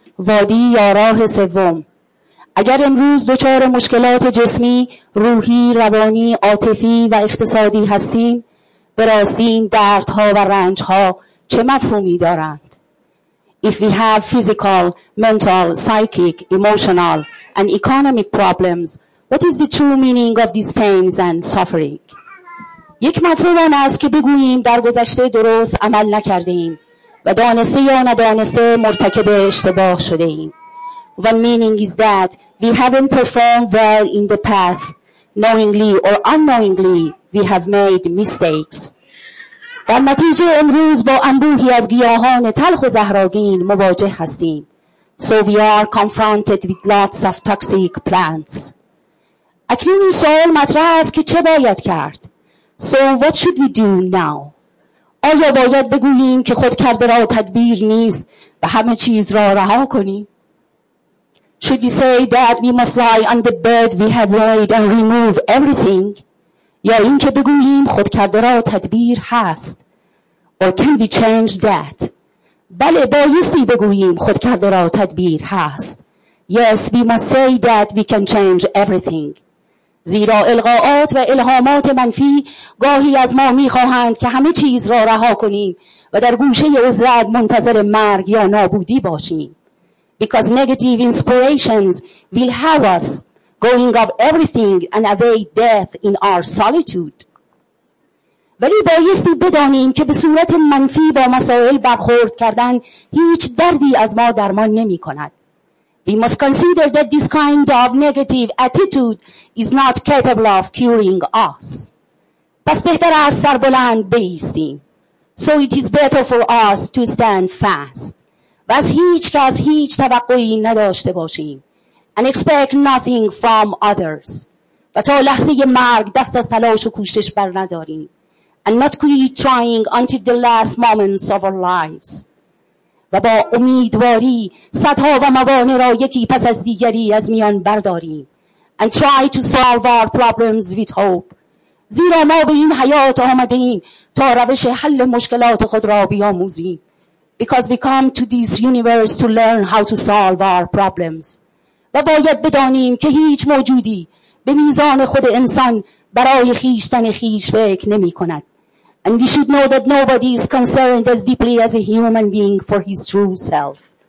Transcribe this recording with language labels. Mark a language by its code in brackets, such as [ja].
[fa] وادی یا راه سوم. اگر امروز دچار مشکلات جسمی، روحی، روانی، عاطفی و اقتصادی هستیم، به راستی این دردها و رنجها چه مفهومی دارند؟ [en] If we have physical, mental, psychic, emotional and economic problems, what is the true meaning of these pains and suffering? [fa] یک مفهوم آن است که بگوییم در گذشته درست عمل نکردیم و دانسته یا ندانسته مرتکب اشتباه شده ایم. [en] One meaning is that we haven't performed well in the past. Knowingly or unknowingly, we have made mistakes. [fa] در نتیجه امروز با انبوهی از گیاهان تلخ و زهرآگین مواجه هستیم. [en] So we are confronted with lots of toxic plants. [fa] اکنون این سؤال مطرح است که چه باید کرد؟ [en] So what should we do now? [fa] آیا باید بگوییم که خود کرده را تدبیر نیست و همه چیز را رها کنیم؟ [en] Should we say that we must lie on the bed we have laid and remove everything? [fa] یا این که بگوییم خود کرده را تدبیر هست؟ [en] Or can we change that? [fa] بله بایستی بگوییم خود کرده را تدبیر هست. [en] Yes, we must say that we can change everything. [fa] زیرا القاعات و الهامات منفی گاهی از ما می‌خواهند که همه چیز را رها کنیم و در گوشه عزلت منتظر مرگ یا نابودی باشیم. [en] Because negative inspirations will have us going off everything and await death in our solitude. [fa] ولی بایستی بدانیم که به صورت منفی با مسائل برخورد کردن هیچ دردی از ما درمان نمی‌کند. [en] We must consider that this kind of negative attitude is not capable of curing us. [fa] پس بهتر است سر بلند بایستیم. [en] So it is better for us to stand fast. [fa] و از هیچ کس هیچ توقعی نداشته باشیم. [en] And expect nothing from others. [fa] و تا لحظه مرگ دست از تلاش و کوشش بر نداریم. [en] And not quit trying until the last moments of our lives. [fa] و با امیدواری صدها و موانع را یکی پس از دیگری از میان برداریم. [en] And try to solve our problems with hope. [fa] زیرا ما به این حیات آمده ایم تا روش حل مشکلات خود را بیاموزیم. [en] Because we come to this universe to learn how to solve our problems. [fa] و باید بدانیم که هیچ موجودی با به میزان خود انسان برای خیشتن خیش فکر نمی کند. [en] And we should know that nobody is concerned as deeply as a human being for his true self.